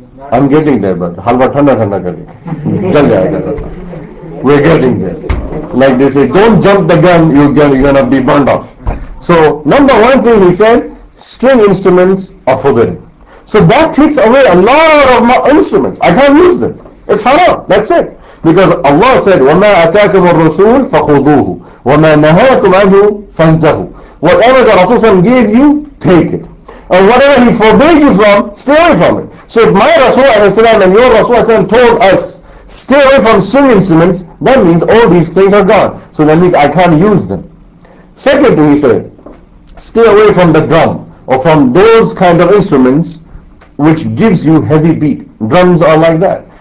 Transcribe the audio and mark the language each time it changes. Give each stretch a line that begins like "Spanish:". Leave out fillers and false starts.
English: I'm getting there, but
Hindi: halwa thanda thanda kar diya.
English: We're getting there. Like they say, don't jump the gun, you're gonna be burned off. So number one thing he said, string instruments are forbidden. So that takes away a lot of my instruments. I can't use them. It's haram. That's it.
Arabic: Because Allah said, وَمَا أَتَاكُمُ الرَّسُولُ فَخُذُوهُ وَمَا نَهَاكُمْ عَنْهُ فَانْتَهُ.
English: Whatever the Rasul gave you, take it. And whatever he forbade you from, stay away from it. So if my Rasul and your Rasul told us, stay away from string instruments, that means all these things are gone. So that means I can't use them. Second thing he said, stay away from the drum or from those kind of instruments which gives you heavy beat. Drums are like that.